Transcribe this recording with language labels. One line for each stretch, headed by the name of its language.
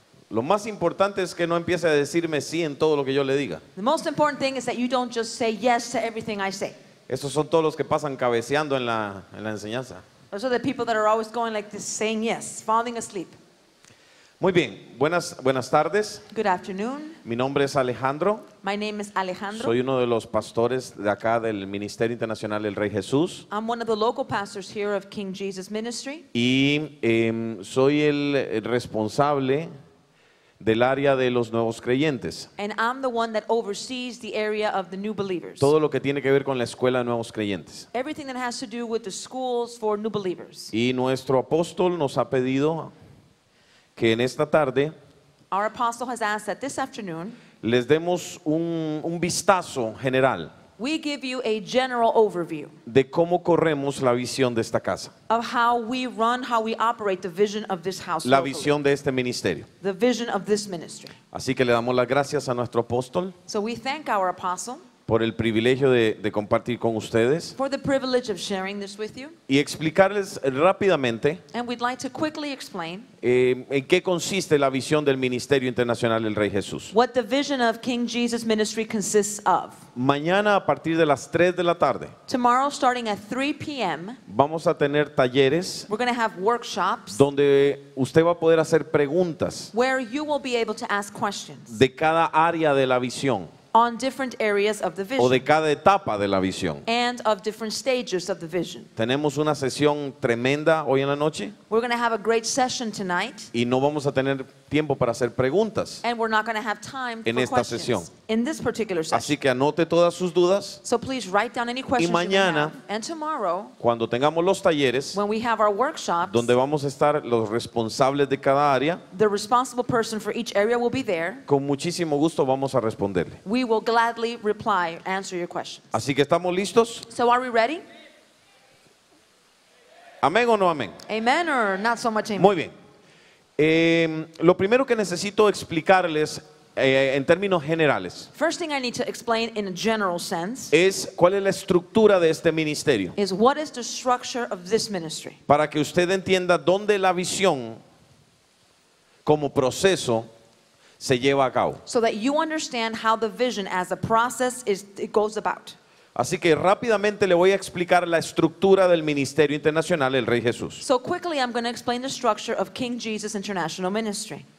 Spanish: Lo más importante es que no empiece a decirme sí en todo lo que yo le diga.
English: The most important thing is that you don't just say yes to everything I say.
Spanish: Esos son todos los que pasan cabeceando en la enseñanza.
English: Those are the people that are always going like this, saying yes, falling asleep.
Spanish: Muy bien, buenas tardes.
English: Good afternoon.
Spanish: Mi nombre es Alejandro.
English: My name is Alejandro.
Spanish: Soy uno de los pastores de acá del Ministerio Internacional del Rey Jesús.
English: I'm one of the local pastors here of King Jesus Ministry.
Spanish: Y soy el responsable del área de los nuevos creyentes.
English: And I'm the one that oversees the area of the new believers.
Spanish: Todo lo que tiene que ver con la escuela de nuevos creyentes.
English: Everything that has to do with the schools for new believers.
Spanish: Y nuestro apóstol nos ha pedido que en esta tarde,
English: our apostle has asked that this afternoon,
Spanish: les demos un vistazo general.
English: We give you a general overview
Spanish: de cómo corremos la visión de esta casa.
English: Of how we run, how we operate the vision of this house.
Spanish: La visión de este ministerio.
English: The vision of this ministry.
Spanish: Así que le damos las gracias a nuestro apóstol.
English: So we thank our apostle
Spanish: por el privilegio de compartir con ustedes.
English: For the privilege of sharing this with you.
Spanish: Y explicarles rápidamente.
English: And we'd like to quickly explain
Spanish: en qué consiste la visión del Ministerio Internacional del Rey Jesús.
English: What the vision of King Jesus Ministry consists of.
Spanish: Mañana a partir de las 3 de la tarde.
English: Tomorrow starting at 3 p.m.
Spanish: Vamos a tener talleres.
English: We're going to have workshops.
Spanish: Donde usted va a poder hacer preguntas.
English: Where you will be able to ask questions.
Spanish: De cada área de la visión.
English: On different areas of the vision.
Spanish: O de cada etapa de la visión.
English: And of different stages of the vision.
Spanish: Tenemos una sesión tremenda hoy en la noche.
English: We're going to have a great session tonight.
Spanish: Y no vamos a tener tiempo para hacer preguntas.
English: And we're not going to have time
Spanish: en
English: for
Spanish: esta
English: questions
Spanish: sesión.
English: In this particular session.
Spanish: Así que anote todas sus dudas.
English: So please write down any questions
Spanish: y mañana,
English: you have. And tomorrow,
Spanish: cuando tengamos los talleres,
English: when we have our workshops,
Spanish: donde vamos a estar los responsables de cada área,
English: the responsible person for each area will be there.
Spanish: Con muchísimo gusto vamos a responderle.
English: We will gladly reply, answer your questions.
Spanish: Así que estamos listos.
English: So are we ready?
Spanish: Amén o no amén.
English: Amen or not so much amen.
Spanish: Muy bien. Lo primero que necesito explicarles en términos generales.
English: First thing I need to explain in a general sense.
Spanish: Es cuál es la estructura de este ministerio.
English: Is what is the structure of this ministry.
Spanish: Para que usted entienda dónde la visión como proceso se lleva a cabo.
English: So that you understand how the vision as a process is, it goes about.
Spanish: Así que rápidamente le voy a explicar la estructura del Ministerio Internacional del Rey Jesús.
English: So quickly I'm going to explain the structure of King Jesus International Ministry.